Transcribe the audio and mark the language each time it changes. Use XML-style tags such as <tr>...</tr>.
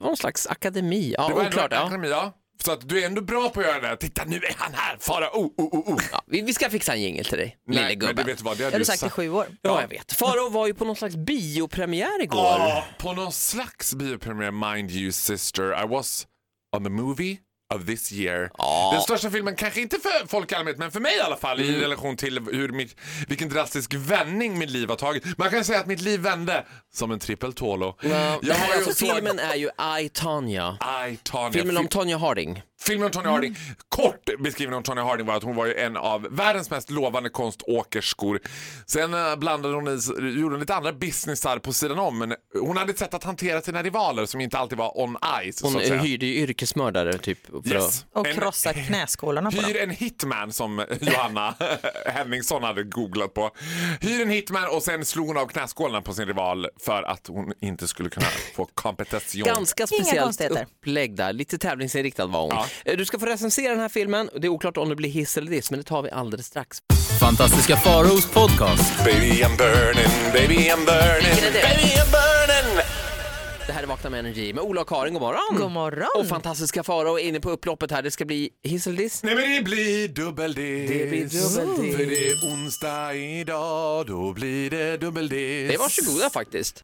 <sv>var någon slags akademi. Ja, det var oklart, en akademi, ja. Så att du är ändå bra på att göra det. Titta, nu är han här. Fara, Ja, vi ska fixa en jingle till dig. Nej, lille gubben. Men du vet vad, det har du sagt i 7 år. Ja, jag vet. Faro var ju på någon slags biopremiär igår. Ja, på någon slags biopremiär.</sv> <en>Mind you, sister. I was on the movie of this year.</en> <sv>Den största filmen, kanske inte för folk i allmänhet, men för mig i alla fall, i relation till hur vilken drastisk vändning mitt liv har tagit. Man kan säga att mitt liv vände som en trippel tålo. Ja, alltså, filmen är ju I, Tonya. Filmen om Tonya Harding. Kort beskrivning om Tonya Harding var att hon var ju en av världens mest lovande konståkerskor. Sen blandade hon gjorde lite andra businessar på sidan om, men hon hade ett sätt att hantera sina rivaler som inte alltid var</sv> <en>on ice.</en> <sv>Hon så att säga. Hyrde ju yrkesmördare typ för att... Och krossa knäskålarna på hyr dem. En hitman som Johanna Henningsson hade googlat på. Hyr en hitman och sen slog hon av knäskålarna på sin rival för att hon inte skulle kunna få kompetition. Ganska speciellt upplägg där. Lite tävlingsinriktad var hon. Du ska få recensera den här filmen. Det är oklart om det blir hiss eller diss, men det tar vi alldeles strax. Fantastiska Faros podcast.</sv> <en>Baby I'm burning, baby I'm burning, baby I'm burning.</en> <sv>Det här här är Vakna med Energy med Ola och Karin. God morgon. God morgon. Och fantastiska fara och inne på upploppet här. Det ska bli hiss eller diss. Nej, men det blir dubbeldiss. Det blir dubbeldiss. För det är onsdag idag, då blir det dubbeldiss. Det var så goda faktiskt.</sv>